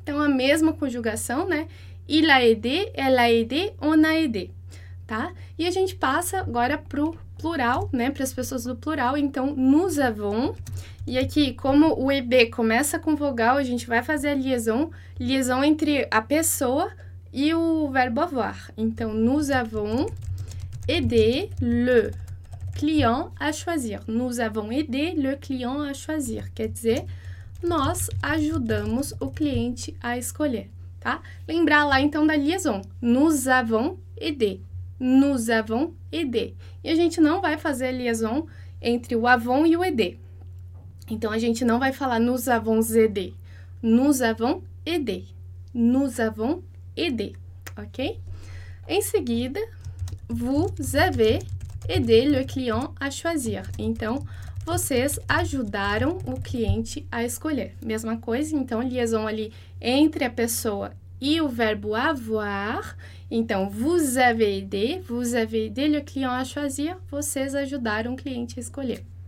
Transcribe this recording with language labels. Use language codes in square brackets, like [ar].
[pt] Então, a mesma conjugação, né? [fr] Il a aidé, ela aidé, on a aidé. [pt] Tá? E a gente passa agora para o plural, né? Para as pessoas do plural. Então, [fr] nous avons. [pt] E aqui, como o EB começa com vogal, a gente vai fazer a liaison entre a pessoa e o verbo avoir. [fr] Então, nous avons aidé le client à choisir. Nous avons aidé le client à choisir. [pt] Quer dizer, nós ajudamos o cliente a escolher. Tá? Lembrar lá então da liaison. [fr] Nous avons aidé. Nous avons aidé. [pt] E a gente não vai fazer a liaison entre o avons e o aidé. Então a gente não vai falar [fr] nous avons aidé. Nous avons aidé. Nous avons aidé. Ok? Em seguida, vous avez aidé le client à choisir. [pt] Então vocês ajudaram o cliente a escolher. Mesma coisa, então, liaison ali entre a pessoa e o verbo avoir. Então, [fr] vous avez aidé le client à choisir, [pt] vocês ajudaram o cliente a escolher.